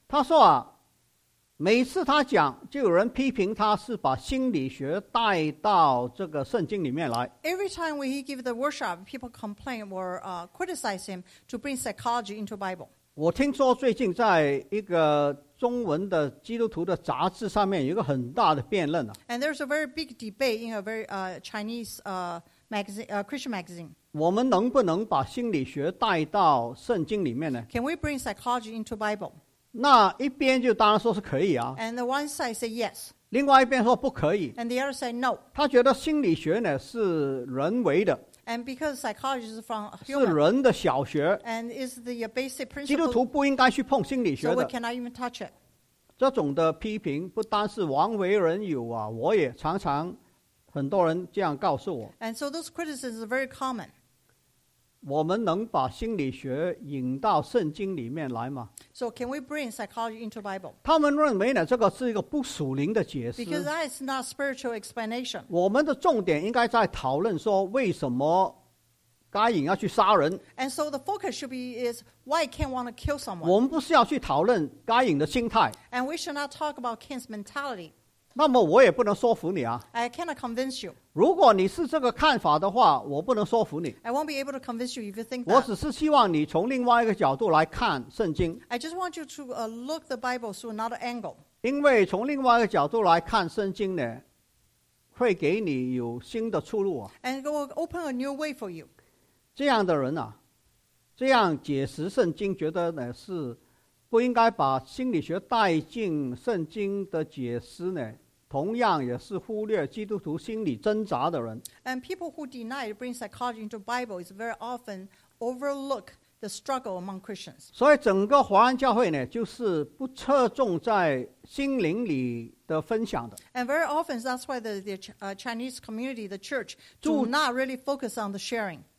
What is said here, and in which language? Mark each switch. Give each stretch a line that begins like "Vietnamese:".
Chinese: 他说啊，每次他讲，就有人批评他是把心理学带到这个圣经里面来。
English: Every time when he give the workshop, people complain or criticize him to bring psychology into Bible.
Chinese: 我听说最近在一个中文的基督徒的杂志上面有一个很大的辩论啊。
English: And there's a very big debate in a very Chinese magazine, Christian magazine.
Chinese: 我们能不能把心理学带到圣经里面呢
English: ？Can we bring psychology into Bible？
Chinese: 那一边就当然说是可以啊
English: ，and the one side say yes，
Chinese: 另外一边说不可以
English: ，and the other say no。
Chinese: 他觉得心理学呢是人为的
English: ，and because psychology is from human，
Chinese: 是人的小学
English: ，and is the basic principle。
Chinese: 基督徒不应该去碰心理学的
English: ，so we cannot even touch it。
Chinese: 这种的批评不单是王维人有啊，我也常常很多人这样告诉我
English: ，and so those criticisms are very common。
Chinese: 我们能把心理学引到圣经里面来吗
English: ？So can we bring psychology into Bible？
Chinese: 他们认为呢，这个是一个不属灵的解释。
English: Because that is not spiritual explanation。
Chinese: 我们的重点应该在讨论说，为什么该隐要去杀人
English: ？And so the focus should be is why Cain want to kill someone。
Chinese: 我们不是要去讨论该隐的心态。
English: And we should not talk about Cain's mentality。
Chinese: 那么我也不能说服你啊
English: I cannot convince you
Chinese: 如果你是这个看法的话我不能说服你
English: I won't be able to convince you if you think that
Chinese: 我只是希望你从另外一个角度来看圣经
English: I just want you to look the Bible through another angle
Chinese: 因为从另外一个角度来看圣经呢会给你有新的出路啊
English: And it will open a new way for you
Chinese: 这样的人啊这样解释圣经觉得呢是不应该把心理学带进圣经的解释呢同样也是忽略基督徒心理挣扎的人
English: and people who deny to bring psychology into Bible is very often overlook the struggle among Christians
Chinese: 所以整个华安教会呢就是不侧重在心灵里的分享的
English: and very often that's why the Chinese community the church do not really focus on the sharing